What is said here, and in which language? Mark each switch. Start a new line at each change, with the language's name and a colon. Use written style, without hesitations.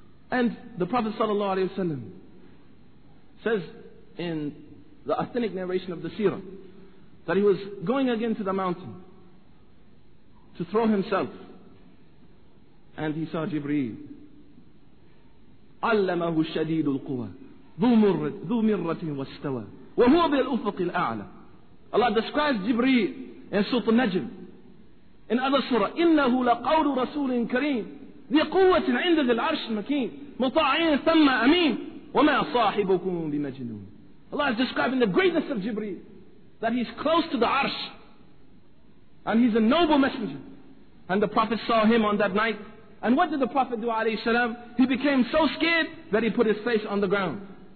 English: And the Prophet sallallahu alayhi wa sallam says in the authentic narration of the seerah that he was going again to the mountain to throw himself, and he saw Jibreel.
Arabic: علمه شديد القوى ذو مرة واستوى وهو بالأفق الأعلى.
English: Allah describes Jibreel in Surah Al-Najm. In other surah,
Arabic: إنه لقول رسول كريم ذي قوة عند ذي العرش المكين مطاعين ثم أمين وما صاحبكم بمجنون.
English: Allah is describing the greatness of Jibreel, that he's close to the arsh and he's a noble messenger. And the Prophet saw him on that night. And what did the Prophet do, alayhi salam? He became so scared that he put his face on the ground.